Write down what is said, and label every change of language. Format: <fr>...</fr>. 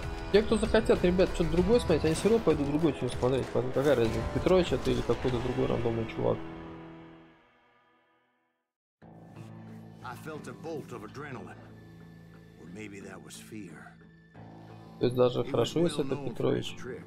<ru>Те, кто захотят, ребят, что-то другое смотреть, они все равно пойдут другой чем смотреть. Поэтому какая разница, Петрович это или какой-то другой рандомный чувак.</ru> <en>Felt a bolt of adrenaline, or maybe that was fear.</en> <ru>То есть даже хорошо, если это Петрович.</ru>